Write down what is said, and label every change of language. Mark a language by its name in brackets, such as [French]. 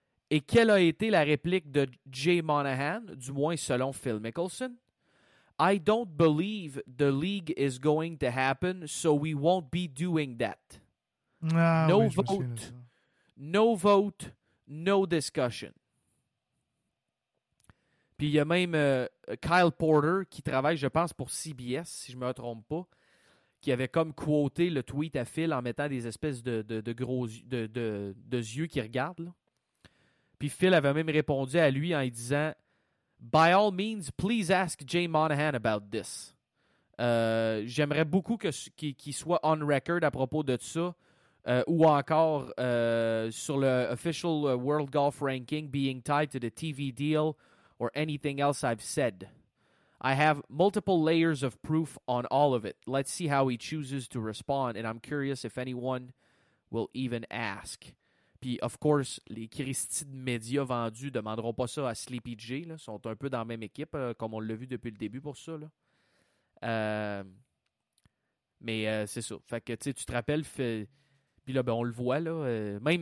[French] Et quelle a été la réplique de Jay Monahan, du moins selon Phil Mickelson? [English] « I don't believe the league is going to happen, so we won't be doing that. [French] Ah, » [English] No [French] oui, [English] vote, no vote, no discussion. [French] Puis il y a même Kyle Porter qui travaille, je pense, pour CBS, si je ne me trompe pas, qui avait comme quoté le tweet à Phil en mettant des espèces de gros yeux qui regardent. Là. Puis Phil avait même répondu à lui en lui disant « [English] By all means, please ask Jay Monahan about this. [French] J'aimerais beaucoup qu'il soit [English] on record [French] à propos de ça ou encore sur le [English] official World Golf Ranking being tied to the TV deal » or anything else I've said. I have multiple layers of proof on all of it. Let's see how he chooses to respond, and I'm curious if anyone will even ask. [French] Puis, [English] of course, [French] les Christie de médias vendus demanderont pas ça à Sleepy J, là. Ils sont un peu dans la même équipe, comme on l'a vu depuis le début pour ça, là. Mais c'est ça. Fait que, tu sais, tu te rappelles, puis là, ben, on le voit, là.